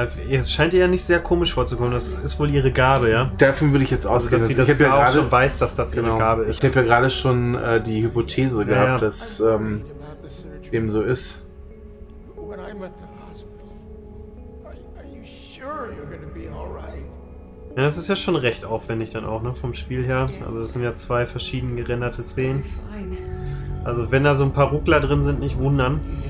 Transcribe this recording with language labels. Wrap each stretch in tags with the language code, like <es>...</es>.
<de>Es scheint ihr ja nicht sehr komisch vorzukommen. Das ist wohl ihre Gabe, ja? Davon würde ich jetzt ausgehen. Also, dass sie das ja auch schon weiß, dass das genau, ihre Gabe ist. Ich habe ja gerade schon die Hypothese gehabt, ja, ja, dass eben so ist.</de> <en>When I'm at the hospital, are you sure you're gonna be all right?</en> <de>Ja, das ist ja schon recht aufwendig dann auch, ne, vom Spiel her. Also das sind ja zwei verschieden gerenderte Szenen. Also wenn da so ein paar Ruckler drin sind, nicht wundern.</de>